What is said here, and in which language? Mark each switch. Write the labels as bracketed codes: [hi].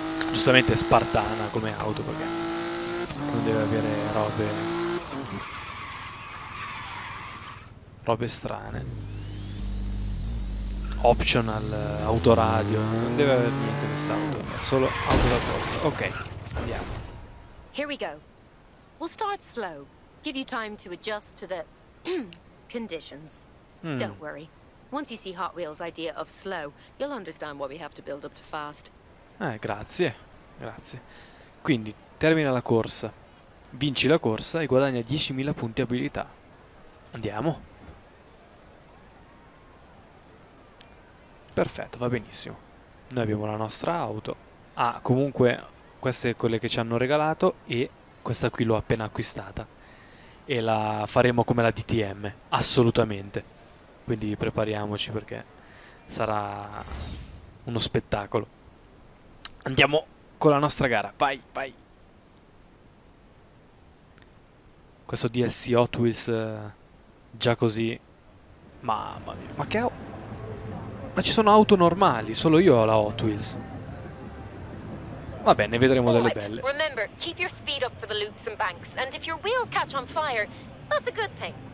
[it] Giustamente spartana come auto, perché non deve avere robe strane. Optional autoradio, non deve avere niente quest'auto, è solo auto da corsa. Ok, andiamo. [en] Here we go. We'll start slow. Give you time to adjust to the conditions. Don't worry. Once you see Hot Wheels' idea of slow, you'll understand why we have to build up to fast. [it] Grazie. Quindi termina la corsa, vinci la corsa e guadagna 10.000 punti abilità. Andiamo. Perfetto, va benissimo. Noi abbiamo la nostra auto. Ah, comunque, queste sono quelle che ci hanno regalato e questa qui l'ho appena acquistata. E la faremo come la DTM, assolutamente. Quindi prepariamoci perché sarà uno spettacolo. Andiamo con la nostra gara, vai, vai. Questo DLC Hot Wheels, già così. Mamma mia, ma che ho. Ma ci sono auto normali, solo io ho la Hot Wheels. Vabbè, ne vedremo delle [en] Right. [it] belle. [en] Remember, keep your speed up for the loops and banks, and if your wheels catch on fire, that's a good thing.